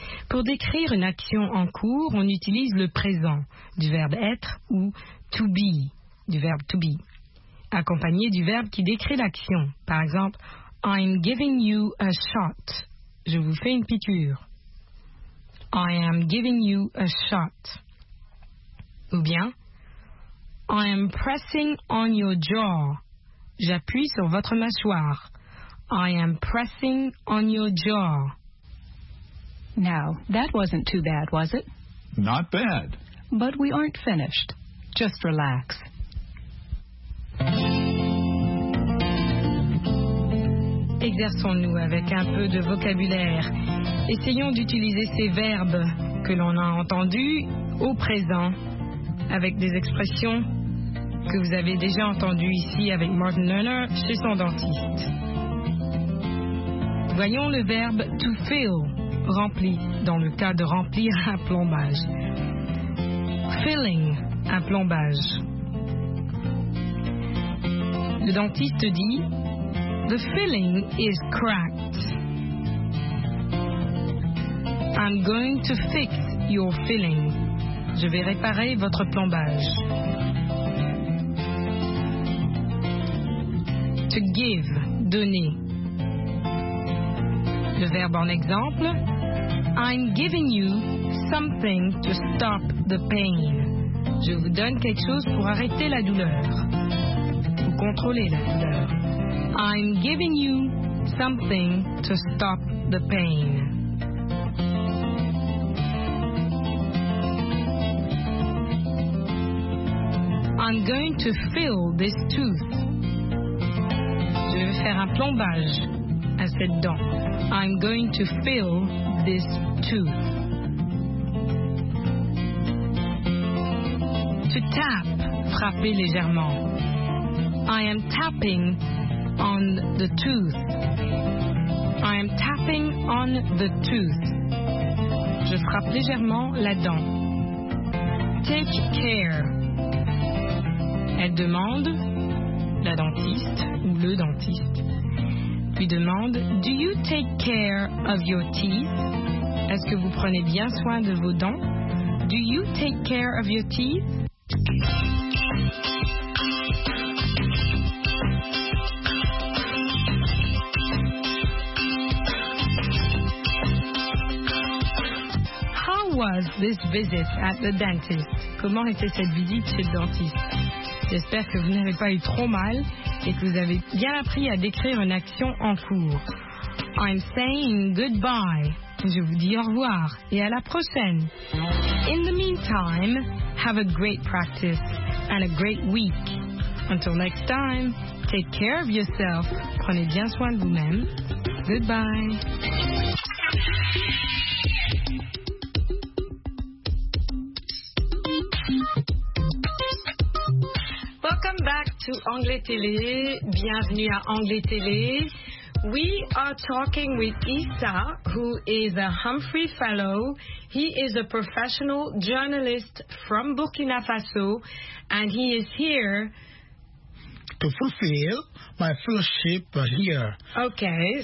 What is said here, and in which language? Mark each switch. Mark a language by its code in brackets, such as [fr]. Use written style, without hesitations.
[fr] Pour décrire une action en cours, on utilise le présent du verbe être ou to be, du verbe to be, accompagné du verbe qui décrit l'action. Par exemple, [en] I'm giving you a shot. [fr] Je vous fais une piqûre. [en] I am giving you a shot. [fr] Ou bien, [en] I am pressing on your jaw. [fr] J'appuie sur votre mâchoire. [en] I am pressing on your jaw. Now, that wasn't too bad, was it? Not bad. But we aren't finished. Just relax. [fr] Exerçons-nous avec un peu de vocabulaire. Essayons d'utiliser ces verbes que l'on a entendus au présent avec des expressions que vous avez déjà entendues ici avec Martin Lerner chez son dentiste. Voyons le verbe to fill. Rempli, dans le cas de remplir un plombage. Filling, un plombage. Le dentiste dit, [en] The filling is cracked. I'm going to fix your filling. [fr] Je vais réparer votre plombage. To give, donner. Le verbe en exemple, [en] I'm giving you something to stop the pain. [fr] Je vous donne quelque chose pour arrêter la douleur. Pour contrôler la douleur. [en] I'm giving you something to stop the pain. I'm going to fill this tooth. [fr] Je vais faire un plombage à cette dent. [en] I'm going to fill this tooth. [fr] To tap, frapper légèrement. [en] I am tapping on the tooth. I am tapping on the tooth. [fr] Je frappe légèrement la dent. Take care. Elle demande, la dentiste ou le dentiste, lui demande, [en] Do you take care of your teeth? [fr] Est-ce que vous prenez bien soin de vos dents? [en] Do you take care of your teeth? How was this visit at the dentist? [fr] Comment était cette visite chez le dentiste? J'espère que vous n'avez pas eu trop mal et que vous avez bien appris à décrire une action en cours. [en] I'm saying goodbye. [fr] Je vous dis au revoir et à la prochaine. [en] In the meantime, have a great practice and a great week. Until next time, take care of yourself. [fr] Prenez bien soin de vous-même. [en] Goodbye. [fr] To Anglais Télé, bienvenue à Anglais Télé. [en] We are talking with Issa, who is a Humphrey Fellow. He is a professional journalist from Burkina Faso, and he is here to fulfill my fellowship here. Okay.